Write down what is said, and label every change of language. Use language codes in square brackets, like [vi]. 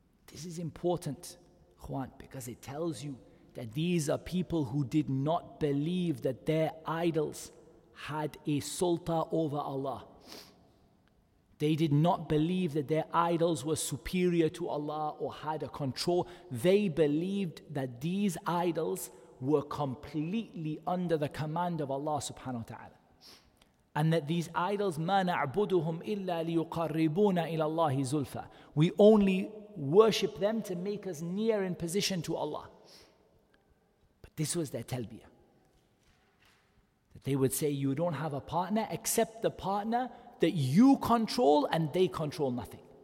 [en] This is important, Juan, because it tells you that these are people who did not believe that their idols had a sulta over Allah. They did not believe that their idols were superior to Allah or had a control. They believed that these idols were completely under the command of Allah subhanahu wa ta'ala. And that these idols, [ar] ما نعبدهم إلا ليقربونا إلى الله زلفا. [en] We only worship them to make us near in position to Allah. But this was their talbiyah. That they would say, you don't have a partner except the partner that you control and they control nothing.